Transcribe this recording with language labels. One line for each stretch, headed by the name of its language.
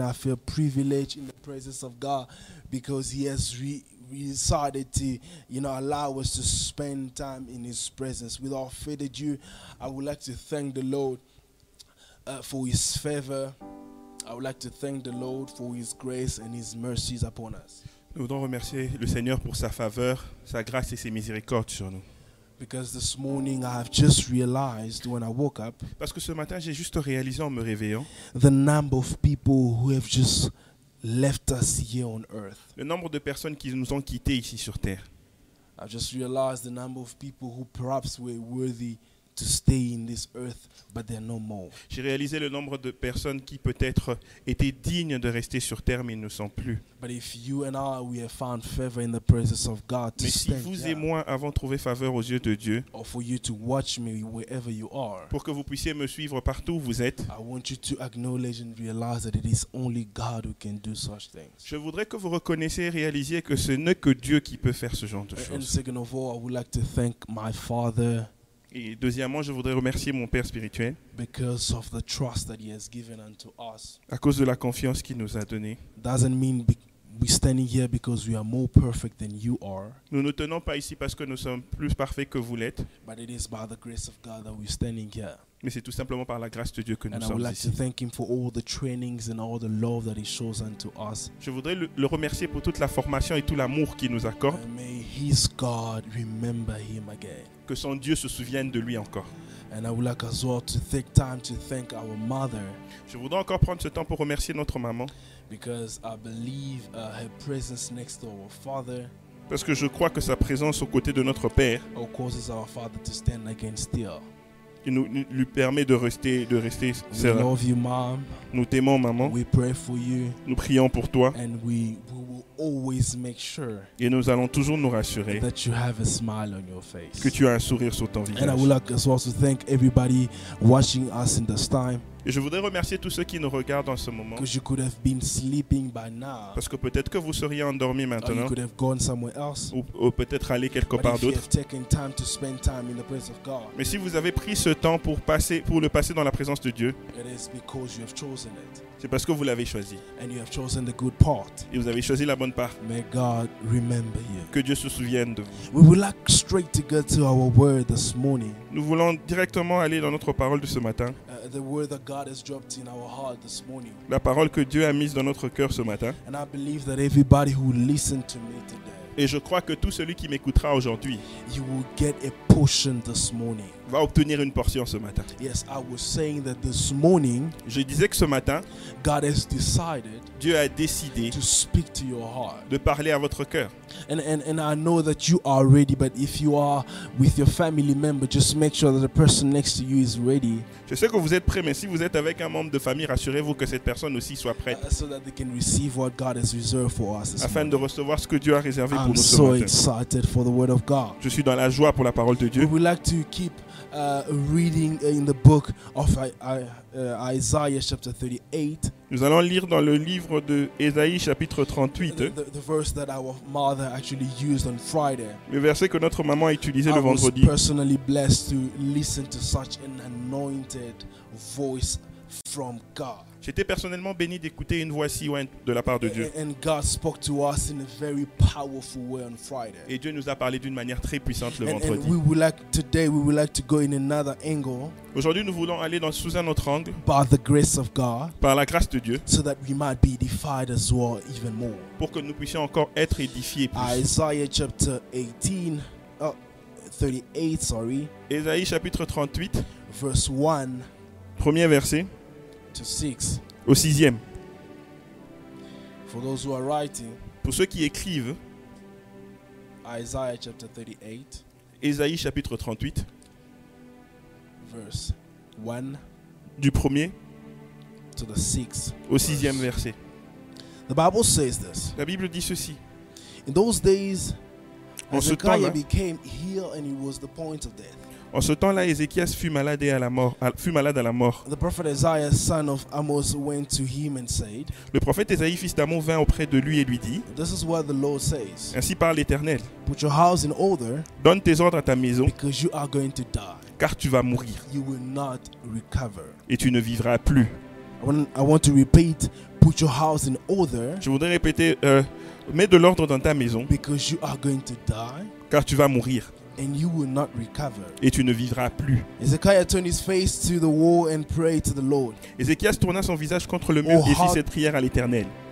English: I feel privileged in the presence of God because He has decided to, you know, allow us to spend time in His presence. Without further ado, I would like to thank the Lord for His favor. I would like to thank the Lord for His grace and His mercies upon us.
French: Nous voulons remercier le Seigneur pour sa faveur, sa grâce et ses miséricordes sur nous.
English: Because this morning I have just realized when I woke up.
French: Parce que ce matin j'ai juste réalisé en me réveillant.
English: The number of people who have just left us here on earth.
French: Le nombre de personnes qui nous ont quittés ici sur terre.
English: I just realized the number of people who perhaps were worthy to stay in this earth, but they're no more.
French: J'ai réalisé le nombre de personnes qui peut-être étaient dignes de rester sur terre, mais ils ne sont plus.
English: But if you and I we have found favor in the presence of God,
French: mais si vous et moi avons trouvé faveur aux yeux de Dieu,
English: or for you to watch me wherever you are,
French: pour que vous puissiez me suivre partout où vous êtes,
English: I want you to acknowledge and realize that it is only God who can do such things.
French: Je voudrais que vous reconnaissiez, réalisiez que ce n'est que Dieu qui peut faire ce genre de choses.
English: And second of all, I would like to thank my Father.
French: Et deuxièmement, je voudrais remercier mon Père spirituel
English: because of the trust that he has given unto us.
French: À cause de la confiance qu'il nous a donnée.
English: Doesn't mean we're standing here because we are more perfect than you are.
French: Nous ne tenons pas ici parce que nous sommes plus parfaits que vous l'êtes.
English: But it is by the grace of God that we're standing here.
French: Mais c'est tout simplement par la grâce de Dieu que nous sommes ici.
English: And I would like to thank him for all the trainings and all the love that he shows unto us.
French: Je voudrais le remercier pour toute la formation et tout l'amour qu'il nous accorde.
English: And may his God remember him again.
French: Que son Dieu se souvienne de lui encore.
English: And I would like as well to take time to thank our mother.
French: Je voudrais encore prendre ce temps pour remercier notre maman.
English: Because I believe her presence next to our father.
French: Parce que je crois que sa présence aux côtés de notre père.
English: Causes our father to stand again still.
French: Il nous lui permet de rester
English: we serein. Love you, mom.
French: Nous t'aimons, maman.
English: We pray for you.
French: Nous prions pour toi.
English: And we will always make sure.
French: Et nous allons toujours nous rassurer.
English: That you have a smile on your face.
French: Que tu as un sourire sur ton visage.
English: And I would like as well to thank everybody watching us in this time.
French: Et je voudrais remercier tous ceux qui nous regardent en ce moment.
English: Because you could have been sleeping by now.
French: Parce que peut-être que vous seriez endormi maintenant.
English: Or you could have gone somewhere else.
French: Ou peut-être aller quelque
English: but
French: part d'autre.
English: If you have taken time to spend time in the presence of God.
French: Mais si vous avez pris ce temps pour le passer dans la présence de Dieu.
English: It is because you have chosen it.
French: C'est parce que vous l'avez choisi.
English: And you have chosen the good part.
French: Et vous avez choisi la bonne part.
English: May God remember you.
French: Que Dieu se souvienne de vous.
English: We would like straight to go to our word this morning.
French: Nous voulons directement aller dans notre parole de ce matin.
English: The word that God has dropped in our heart this morning.
French: La parole que Dieu a mise dans notre cœur ce matin.
English: And I believe that everybody who listened to me today.
French: Et je crois que tout celui qui m'écoutera aujourd'hui.
English: You will get a portion this morning.
French: Va obtenir une portion ce matin.
English: Yes, I was saying that this morning.
French: Je disais que ce matin.
English: God has decided.
French: Dieu a décidé.
English: To speak to your heart.
French: De parler à votre cœur.
English: And I know that you are ready, but if you are with your family member, just make sure that the person next to you is ready.
French: Je sais que vous êtes prêt, mais si vous êtes avec un membre de famille, rassurez-vous que cette personne aussi soit prête.
English: So that they can receive what God has reserved for us.
French: Afin de recevoir ce que Dieu a réservé pour nous ce matin.
English: I'm so excited for the word of God.
French: Je suis dans la joie pour la parole de Dieu.
English: We would like to keep reading in the book of Isaiah chapter 38.
French: Nous allons lire dans le livre de Ésaïe chapitre 38.
English: The verse that our mother actually used on Friday.
French: Le verset que notre maman a utilisé le vendredi.
English: I was personally blessed to listen to such an anointed voice from God.
French: J'étais personnellement béni d'écouter une voix si ouinte de la part de Dieu.
English: And God spoke to us in a very powerful way on Friday.
French: Et Dieu nous a parlé d'une manière très puissante le vendredi.
English: And we would like today we would like to go in another angle.
French: Aujourd'hui nous voulons aller sous un autre angle.
English: By the grace of God.
French: Par la grâce de Dieu.
English: So that we might be edified as well even more.
French: Pour que nous puissions encore être édifiés plus.
English: Isaiah chapter 18. 38, sorry.
French: Ésaïe chapitre 38,
English: verse 1.
French: Premier verset.
English: To 6.
French: Au sixième.
English: For those who are writing.
French: Pour ceux qui écrivent.
English: Isaiah chapter 38.
French: Ésaïe chapitre 38.
English: Verse 1.
French: Du premier.
English: To the 6th.
French: Au sixième verset.
English: The Bible says this.
French: La Bible dit ceci.
English: In those days, Ezekiah became ill and he was the point of death.
French: En ce temps-là, Ézéchias fut malade à la mort.
English: The prophet Isaiah, son of Amos, went to him and said.
French: Le prophète Ésaïe, fils d'Amon, vint auprès de lui et lui dit.
English: This is what the Lord says.
French: Ainsi parle l'Éternel.
English: Put your house in order.
French: Donne tes ordres à ta maison.
English: Because you are going to die.
French: Car tu vas mourir.
English: You will not recover.
French: Et tu ne vivras plus.
English: I want to repeat. Put your house in order.
French: Je voudrais répéter. Mets de l'ordre dans ta maison.
English: Because you are going to die.
French: Car tu vas mourir.
English: And you will not recover.
French: Et tu ne vivras plus.
English: Ezekiah turned his face to the wall and prayed to the Lord.
French: Ézéchias tourna son visage contre le mur et fit cette prière à l'Éternel.